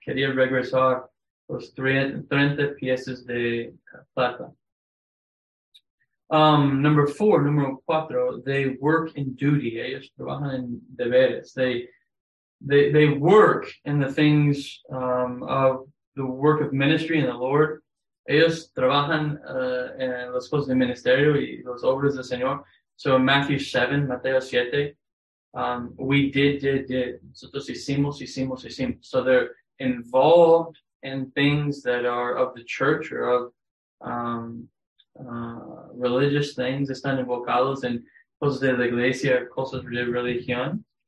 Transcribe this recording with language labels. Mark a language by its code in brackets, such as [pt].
[es] Quería regresar los 30 piezas de plata. [en] Number cuatro, they work in duty. [es] Ellos trabajan en deberes. [en] They work in the things of the work of ministry in the Lord. [es] Ellos trabajan en las cosas del ministerio y las obras del Señor. [en] So in Mateo 7, we did. [es] Nosotros hicimos. [en] So they're involved in things that are of the church or of religious things. [es] Están involucrados en cosas de la iglesia, cosas de religión.